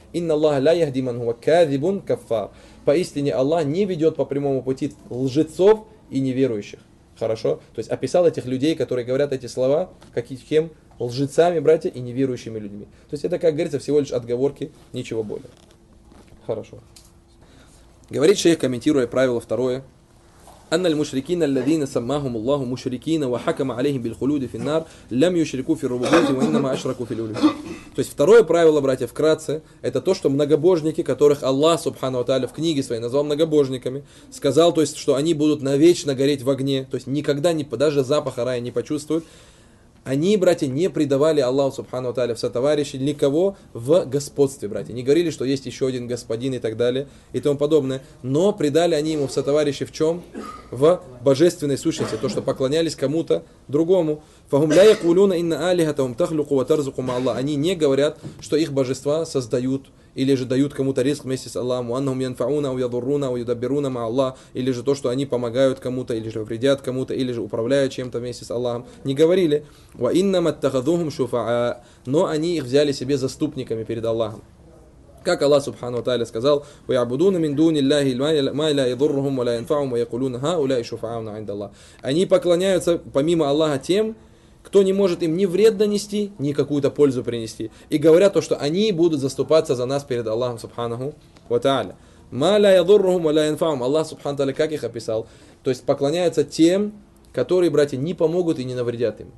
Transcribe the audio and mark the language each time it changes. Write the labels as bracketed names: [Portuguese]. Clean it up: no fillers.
[Arabic] Инна Аллах ля яхди ман хуа кадибун каффар. [Russian] Поистине Аллах не ведет по прямому пути лжецов и неверующих. Хорошо? То есть описал этих людей, которые говорят эти слова, каким лжецами, братья, и неверующими людьми. То есть это, как говорится, всего лишь отговорки, ничего более. Хорошо. Говорит шейх, комментируя правило второе. [Arabic] أن المشركين الذين سماهم الله مشركين وحكم عليهم بالخلود في النار لم يشركوا في الربوبية وإنما أشركوا في الألوهية. [Russian] То есть второе правило, братья, вкратце, это то, что многобожники, которых Аллах Субхану ва Тааля в книге своей назвал многобожниками, сказал, то есть, что они будут навечно гореть в огне, то есть никогда не, даже запаха рая не почувствуют. Они, братья, не предавали Аллаху Субхану ва Тааля в сотоварищи никого в господстве, братья. Не говорили, что есть еще один господин и так далее и тому подобное. Но предали они ему в сотоварищи в чем? В божественной сущности. То, что поклонялись кому-то другому. [Arabic] فَهُمْ لَا يَقُولُونَ إِنَّ أَلِهَتَهُمْ تَخْلُقُ وَتَرْزُقُ مَا اللَّهُ. [Russian] Они не говорят, что их божества создают или же дают кому-то риск вместе с Аллахом. [Arabic] وَأَنَّهُمْ يَنْفَعُونَ وَيَضُرُّونَ وَيُدَبِّرُونَ مَا اللَّهُ. [Russian] Или же то, что они помогают кому-то, или же вредят кому-то, или же управляют чем-то вместе с Аллахом. Не говорили. [Arabic] وَإِنَّمَا اتَّخَذُوهُمْ شُفَعَاءَ. [Russian] Но они их взяли себе заступниками перед Аллахом. Как Аллах Субхану ва Тааля сказал: [Arabic] وَيَعْبُدُونَ مِنْ دُونِ اللَّهِ مَا لَا يَضُرُّهُمْ وَلَا يَنْفَعُهُمْ وَيَقُولُونَ هَؤُلَاءِ شُفَعَاؤُنَا عِنْدَ اللَّهِ. [Russian] Они поклоняются помимо Аллаха тем, кто не может им ни вред донести, ни какую-то пользу принести. И говорят то, что они будут заступаться за нас перед Аллахом Субханаху ва Тааля. [Arabic] مَا لَا يَضُرُّهُمْ وَلَا يَنْفَعُهُمْ. [Russian] Аллах Субхану ва Тааля как их описал? То есть поклоняются тем, которые, братья, не помогут и не навредят им.